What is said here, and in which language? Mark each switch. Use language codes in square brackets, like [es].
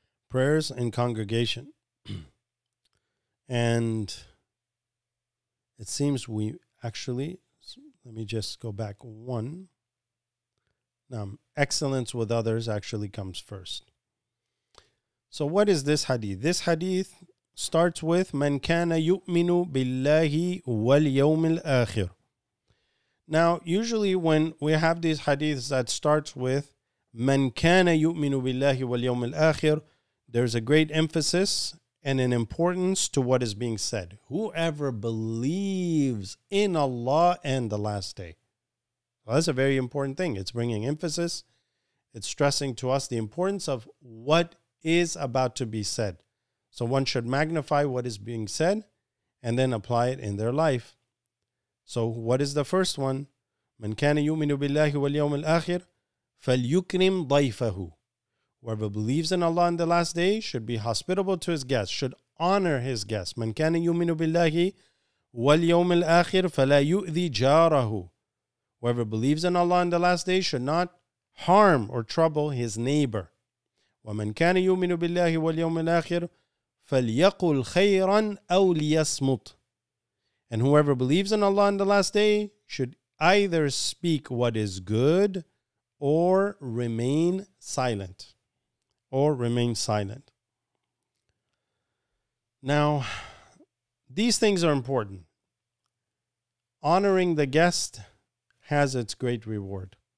[en] Prayers and congregation. And it seems we actually, let me just go back one. Excellence with others actually comes first. So what is this hadith? This hadith starts with, [ar] من كان يؤمن بالله واليوم الآخر. [en] Now, usually when we have these hadiths that starts with [ar] من كان يؤمن بالله واليوم الآخر, [en] there's a great emphasis and an importance to what is being said. Whoever believes in Allah and the last day. Well, that's a very important thing. It's bringing emphasis. It's stressing to us the importance of what is about to be said. So one should magnify what is being said and then apply it in their life. So what is the first one? [ar] من كان يؤمن بالله واليوم الآخر فليكرم ضيفه. [en] Whoever believes in Allah in the last day should be hospitable to his guests, should honor his guests. [ar] من كان يؤمن بالله واليوم الآخر فلا يؤذي جاره. [en] Whoever believes in Allah in the last day should not harm or trouble his neighbor. [ar] ومن كان يؤمن بالله واليوم الآخر فليقل خيرا أو ليصمت. [en] And whoever believes in Allah in the last day should either speak what is good or remain silent. Or remain silent. Now, these things are important. Honoring the guest has its great reward.